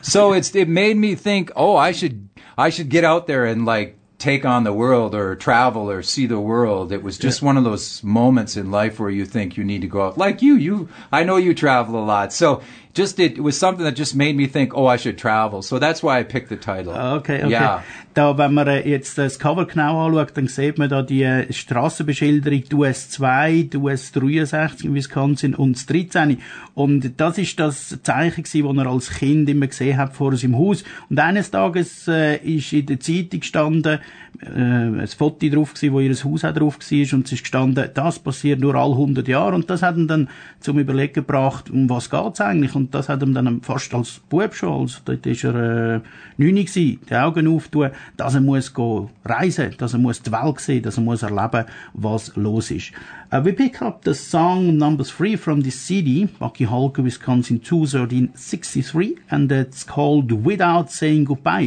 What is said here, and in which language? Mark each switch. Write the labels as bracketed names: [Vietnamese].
[English] So it made me think, oh, I should get out there and, like, take on the world or travel or see the world. It was just one of those moments in life where you think you need to go out. Like you, I know you travel a lot. So just it was something that just made me think, oh, I should travel. So that's why I picked the title. Okay. Yeah. [German] Da, wenn man jetzt das Cover genau anschaut, dann sieht man da die Strassenbeschilderung, die US-2, die US-63 in Wisconsin und das 13. Und das ist das Zeichen gewesen, das er als Kind immer gesehen hat vor seinem Haus. Und eines Tages ist in der Zeitung gestanden, ein Foto drauf gewesen, wo ihr Haus auch drauf gewesen ist, und es ist gestanden, das passiert nur alle 100 Jahre. Und das hat ihn dann zum Überlegen gebracht, um was geht's eigentlich. Und das hat ihm dann fast als Bub schon, also dort ist er 9 gewesen, die Augen auftun, dass er muss reisen, dass er muss die Welt sehen, dass er muss erleben, was los ist. [English] We pick up the song number 3 from this CD, Bucky Holker, Wisconsin 21363, and it's called Without Saying Goodbye.